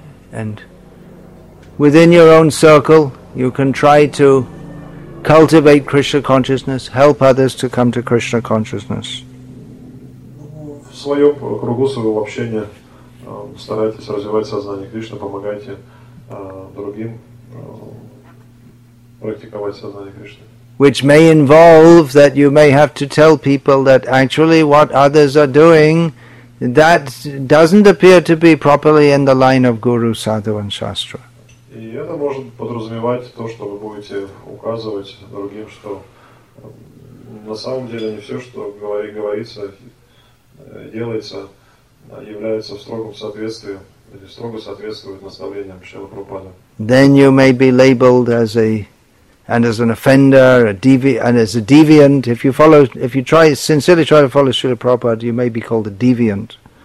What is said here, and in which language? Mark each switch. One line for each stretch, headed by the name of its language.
English: And within your own circle, you can try to cultivate Krishna consciousness, help others to come to Krishna consciousness.
Russian: В своем кругу своего общения старайтесь развивать сознание Кришны, помогайте другим практиковать сознание Кришны.
English: Which may involve that you may have to tell people that actually what others are doing that doesn't appear to be properly in the line of Guru, Sadhu, and Shastra.
Russian: И это может подразумевать то, что вы будете указывать другим, что на самом деле не все, что говорится, делается, является в строгом соответствии или строго соответствует наставлениям Шрилы Прабхупады.
English: Then you may be labeled as an offender, as a deviant. If you sincerely try to follow Srila Prabhupada, you may be called a deviant.